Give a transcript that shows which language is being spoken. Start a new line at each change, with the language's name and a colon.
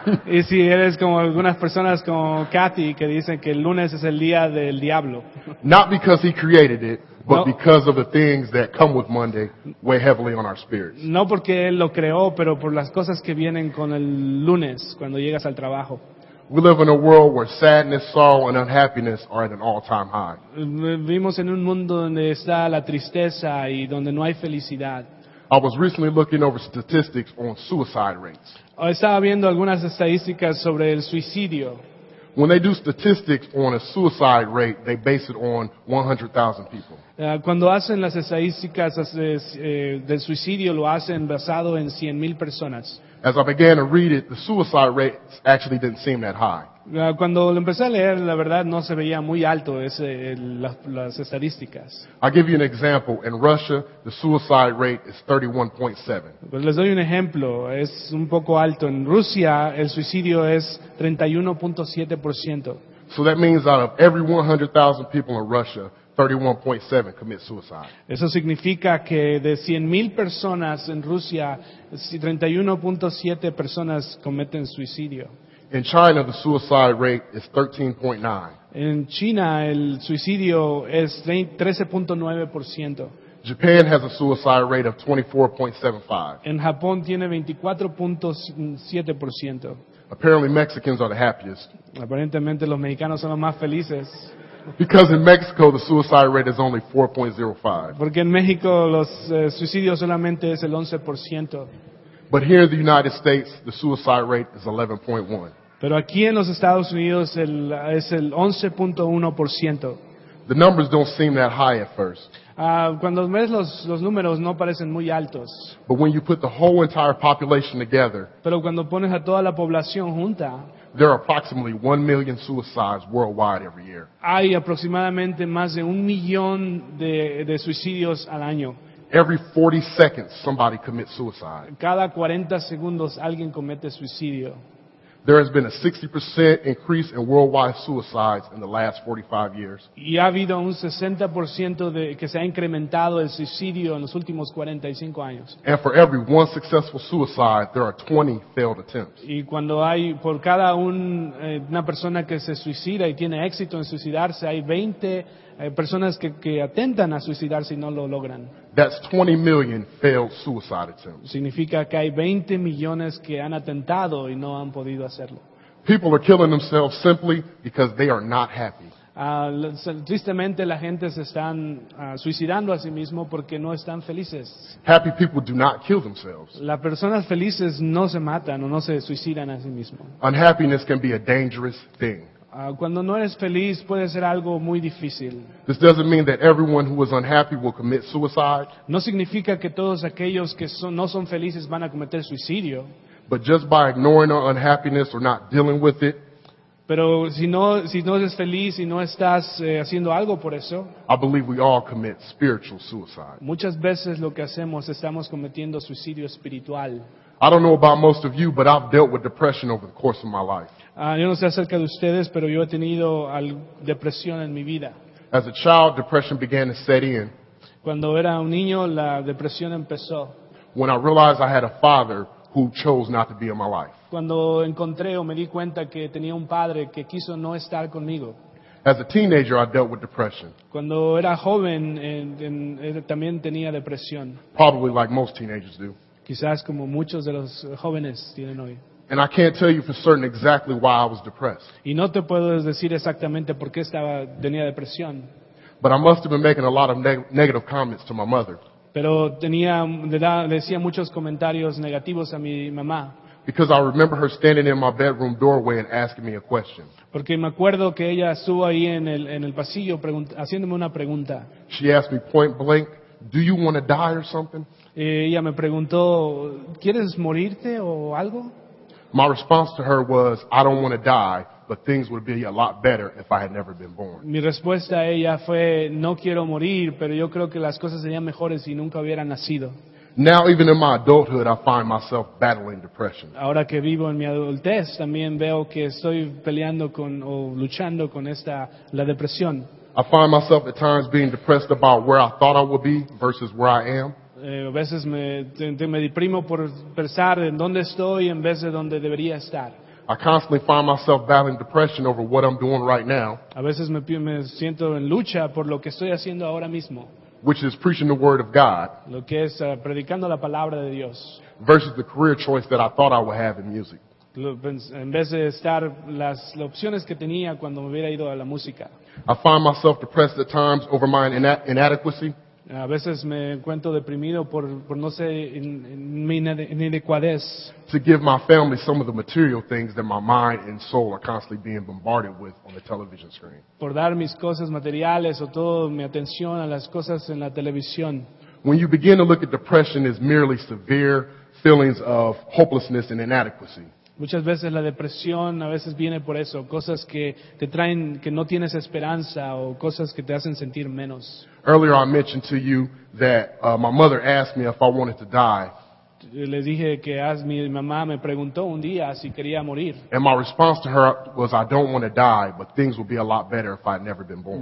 Spanish: Y si eres como algunas personas como Kathy que dicen que el lunes es el día del diablo.
English: Not because he created it. But because of the things that come with Monday weigh heavily on our spirits.
Spanish: No porque él lo creó, pero por las cosas que vienen con el lunes cuando llegas al trabajo.
English: We live in a world where sadness, sorrow, and unhappiness are at an all-time high.
Spanish: Vivimos en un mundo donde está la tristeza y donde no hay felicidad.
English: I was recently looking over statistics on suicide rates.
Spanish: Estaba viendo algunas estadísticas sobre el suicidio.
English: When they do statistics on a suicide rate, they base it on 100,000 people.
Spanish: Cuando hacen las estadísticas del suicidio, lo hacen basado en 100,000 personas.
English: As I began to read it, the suicide rates actually didn't seem that high.
Spanish: Cuando lo empecé a leer, la verdad no se veía muy alto las estadísticas.
English: I'll give you an example. In Russia, the suicide rate is 31.7.
Spanish: Les doy un ejemplo. Es un poco alto. En Rusia, el suicidio es 31.7%.
English: So that means out of every 100,000 people in Russia, 31.7 commit suicide.
Spanish: Eso significa que de 100,000 personas en Rusia, 31.7 personas cometen suicidio.
English: In China, the suicide rate is 13.9.
Spanish: En China, el suicidio es 13.9%.
English: Japan has a suicide rate of 24.75.
Spanish: En Japón tiene 24.7%.
English: Apparently, Mexicans are the happiest.
Spanish: Aparentemente, los mexicanos son los más felices.
English: Because in Mexico, the suicide rate is only 4.05.
Spanish: Porque en México, los suicidios solamente es el 11%.
English: But here in the United States, the suicide rate is 11.1.
Spanish: Pero aquí en los Estados Unidos es el 11.1%.
English: The numbers don't seem that high at first.
Spanish: Cuando ves los números no parecen muy altos.
English: But when you put the whole entire population together,
Spanish: pero cuando pones a toda la población junta,
English: there are approximately 1 million suicides worldwide every year.
Spanish: Hay aproximadamente más de 1 millón de suicidios al año.
English: Every 40 seconds somebody commits suicide.
Spanish: Cada 40 segundos alguien comete suicidio.
English: There has been a 60% increase in worldwide suicides in the last 45 years.
Spanish: Y ha habido un 60% de que se ha incrementado el suicidio en los últimos 45 años.
English: And for every one successful suicide, there are 20 failed attempts.
Spanish: Y cuando hay por cada una persona que se suicida y tiene éxito en suicidarse, hay 20 personas que atentan a suicidarse y no lo logran.
English: That's 20 million failed suicide attempts.
Spanish: Significa que hay 20 millones que han atentado y no han podido hacerlo.
English: People are killing themselves simply because they are not happy.
Spanish: Tristemente la gente se están suicidando a sí mismo porque no están felices.
English: Happy people do not kill themselves.
Spanish: Las personas felices no se matan o no se suicidan a sí mismo.
English: Unhappiness can be a dangerous thing.
Spanish: Cuando no eres feliz puede ser algo muy difícil.
English: This doesn't mean that everyone who is unhappy will commit suicide.
Spanish: No significa que todos aquellos que no son felices van a cometer suicidio.
English: But just by ignoring our unhappiness or not dealing with it.
Spanish: Pero si no eres feliz y no estás haciendo algo por eso.
English: I believe we all commit spiritual suicide.
Spanish: Muchas veces lo que hacemos estamos cometiendo suicidio espiritual.
English: I don't know about most of you, but I've dealt with depression over the course of my life.
Spanish: Yo no sé acerca de ustedes, pero yo he tenido depresión en mi vida.
English: As a child, depression began to set in.
Spanish: Cuando era un niño, la depresión empezó.
English: When I realized I had a father who chose not to be in my life.
Spanish: Cuando encontré o me di cuenta que tenía un padre que quiso no estar conmigo.
English: As a teenager, I dealt with depression.
Spanish: Cuando era joven, también tenía depresión.
English: Probably like most teenagers do.
Spanish: Quizás como muchos de los jóvenes tienen hoy.
English: And I can't tell you for certain exactly why I was depressed.
Spanish: Y no te puedo decir exactamente por qué tenía depresión.
English: But I must have been making a lot of negative comments to my mother.
Spanish: Pero decía muchos comentarios negativos a mi mamá.
English: Because I remember her standing in my bedroom doorway and asking me a question.
Spanish: Porque me acuerdo que ella estuvo ahí en el pasillo haciéndome una pregunta.
English: She asked me point blank, "Do you want to die or something?"
Spanish: Ella me preguntó, ¿quieres morirte o algo?
English: My response to her was, "I don't want to die, but things would be a lot better if I had never been born."
Spanish: Mi respuesta a ella fue, "No quiero morir, pero yo creo que las cosas serían mejores si nunca hubiera nacido."
English: Now, even in my adulthood, I find myself battling depression.
Spanish: Ahora que vivo en mi adultez, también veo que estoy peleando con o luchando con la depresión.
English: I find myself at times being depressed about where I thought I would be versus where I am.
Spanish: A veces me deprimo por pensar en dónde estoy en vez de donde debería estar.
English: I constantly find myself battling depression over what I'm doing right now.
Spanish: A veces me siento en lucha por lo que estoy haciendo ahora mismo.
English: Which is preaching the word of God.
Spanish: Lo que es predicando la palabra de Dios.
English: Versus the career choice that I thought I would have in music.
Spanish: En vez de estar las opciones que tenía cuando me hubiera ido a la música.
English: I find myself depressed at times over my inadequacy.
Spanish: A veces me encuentro deprimido por no sé mi inadecuadez.
English: To give my family some of the material things that my mind and soul are constantly being bombarded with on the television screen.
Spanish: Por dar mis cosas materiales o todo mi atención a las cosas en la televisión.
English: When you begin to look at depression as merely severe feelings of hopelessness and inadequacy.
Spanish: Muchas veces la depresión a veces viene por eso, cosas que te traen que no tienes esperanza o cosas que te hacen sentir menos.
English: Earlier I mentioned to you that my mother asked me if I wanted to die.
Spanish: Le dije que mi mamá me preguntó un día si quería morir.
English: And my response to her was, I don't want to die, but things would be a lot better if I'd never been born.